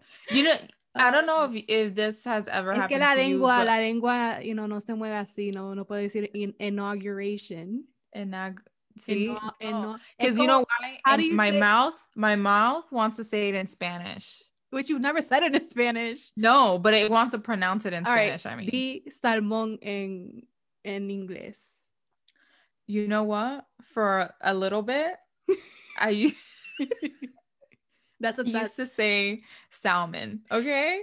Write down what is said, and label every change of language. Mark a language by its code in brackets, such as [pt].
[en] You know, I don't know if this has ever happened. [es] Es que la lengua, [en] you know, [es] no se mueve así, no puede decir inauguration. [en] Because you know why? How do you my mouth wants to say it in Spanish. Which you've never said it in Spanish. No, but it wants to pronounce it in All Spanish, right. I mean. [es] The salmón en inglés. [en] You know what? For a little bit, used to say salmon, okay?